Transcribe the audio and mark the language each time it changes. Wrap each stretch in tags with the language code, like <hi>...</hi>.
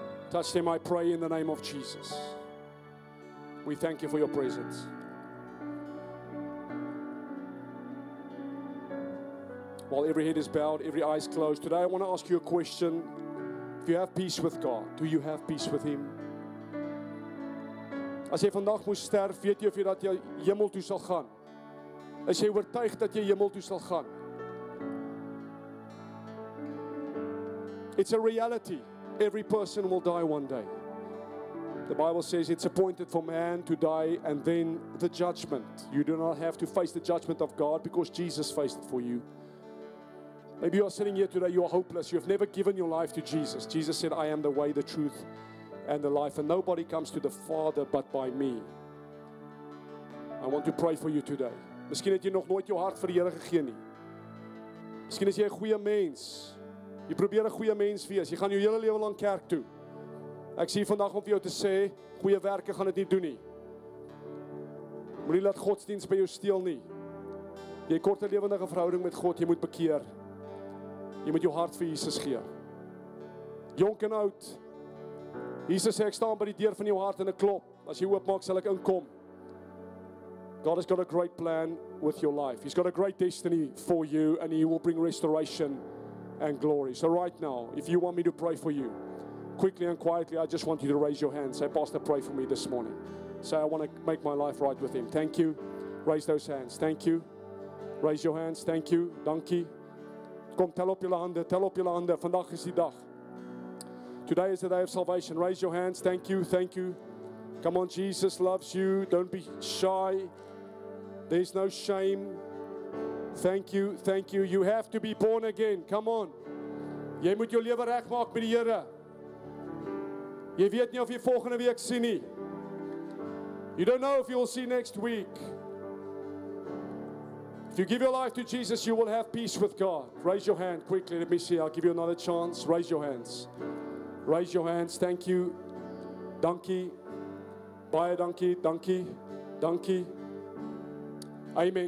<en>Touch them, I pray, in the name of Jesus. We thank you for your presence. While every head is bowed, every eye is closed, today I want to ask you a question. If you have peace with God, do you have peace with him?</en> <af>As jy vandag moet sterf, weet jy of jy dat jy hemel toe sal gaan? As jy oortuig dat jy hemel toe sal gaan?</af> <en>It's a reality. Every person will die one day. The Bible says it's appointed for man to die and then the judgment. You do not have to face the judgment of God because Jesus faced it for you. Maybe you are sitting here today, you are hopeless. You have never given your life to Jesus. Jesus said, I am the way, the truth, and the life. And nobody comes to the Father but by me. I want to pray for you today.</en> <af>Miskien het jy nog nooit jou hart vir die Here gegee nie. Miskien is jy 'n goeie mens. Jy probeer 'n goeie mens wees. Jy gaan jou hele lewe lank kerk toe. Ek sê vandag om vir jou te sê, goeie werke gaan dit nie doen nie. Moenie laat godsdienst by jou steel nie. Jy kort 'n lewendige verhouding met God, jy moet bekeer. Jy moet jou hart vir Jesus gee. Jonk en oud. Jesus sê, ek staan by die deur van jou hart en ek klop. As jy oopmaak, sal ek inkom.</af> <en>God has got a great plan with your life. He's got a great destiny for you and he will bring restoration and glory. So right now, if you want me to pray for you, quickly and quietly, I just want you to raise your hand. Say, Pastor, pray for me this morning. Say, I want to make my life right with him. Thank you. Raise those hands. Thank you.</en> <af>Raise your hands. Thank you. Dankie. Kom, tel op julle hande. Tel op julle hande. Vandag is die dag.</af> <en>Today is the day of salvation. Raise your hands. Thank you. Thank you. Come on, Jesus loves you. Don't be shy. There's no shame. Thank you. Thank you. You have to be born again. Come on.</en> <af>Jy moet jou lewe regmaak met die Here. Jy weet nie of jy volgende week sien nie.</af> <en>You don't know if you will see next week. If you give your life to Jesus, you will have peace with God. Raise your hand quickly. Let me see. I'll give you another chance. Raise your hands. Raise your hands. Thank you.</en> <af>Dankie. Baie dankie. Dankie. Dankie.</af> <en>Amen.</en>